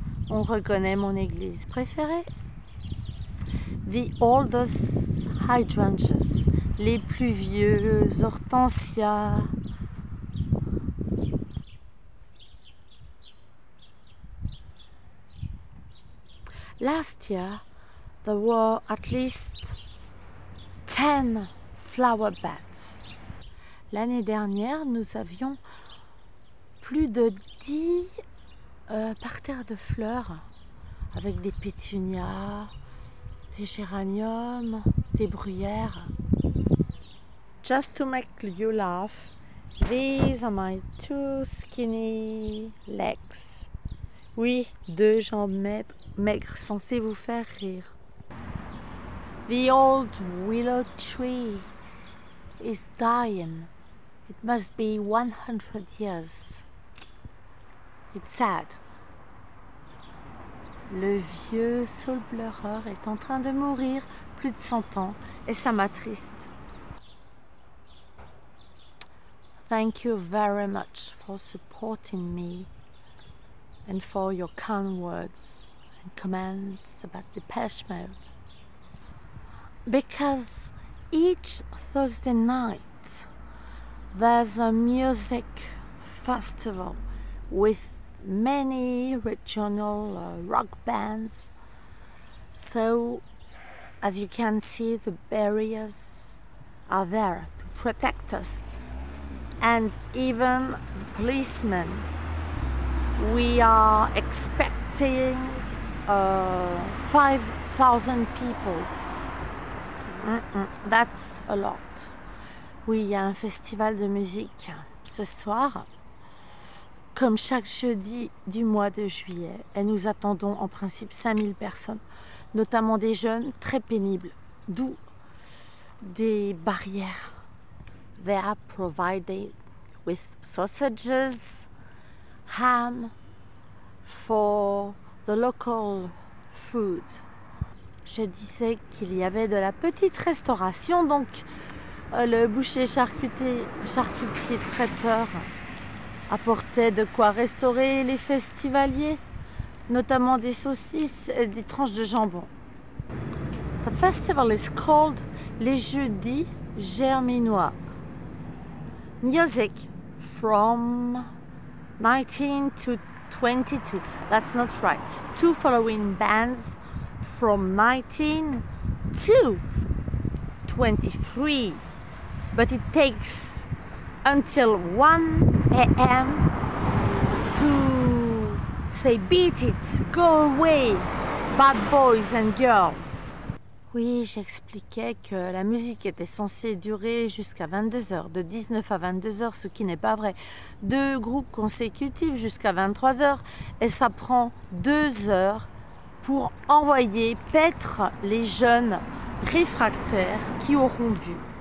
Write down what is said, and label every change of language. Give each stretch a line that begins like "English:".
French: On reconnaît mon église préférée.
English: The oldest hydrangeas,
French: les plus vieux hortensias.
English: Last year, there were at least 10 flower beds.
French: L'année dernière, nous avions plus de 10 parterres de fleurs avec des pétunias, des géraniums, des bruyères.
English: Just to make you laugh, these are my two skinny legs.
French: Oui, deux jambes maigres censées vous faire rire.
English: The old willow tree is dying. It must be 100 years. It's sad.
French: Le vieux saule pleureur est en train de mourir plus de 100 ans et ça m'attriste.
English: Thank you very much for supporting me and for your kind words and comments about Depeche Mode. Because each Thursday night there's a music festival with many regional rock bands. So, as you can see, the barriers are there to protect us. And even the policemen. We are expecting 5,000 people. That's a lot.
French: Oui, il y a un festival de musique ce soir, comme chaque jeudi du mois de juillet, et nous attendons en principe 5000 personnes, notamment des jeunes très pénibles, d'où des barrières.
English: They are provided with sausages, ham for the local food.
French: Je disais qu'il y avait de la petite restauration, donc le boucher charcutier traiteur apportait de quoi restaurer les festivaliers, notamment des saucisses et des tranches de jambon.
English: The festival is called Les Jeudis Germinois. Music from 19 to 22. That's not right. Two following bands. From 19 to 23, but it takes until 1 a.m. to say, beat it, go away, bad boys and girls.
French: Oui, j'expliquais que la musique était censée durer jusqu'à 22h, de 19 à 22h, ce qui n'est pas vrai. Deux groupes consécutifs jusqu'à 23h, et ça prend 2 heures pour envoyer paître les jeunes réfractaires qui auront bu.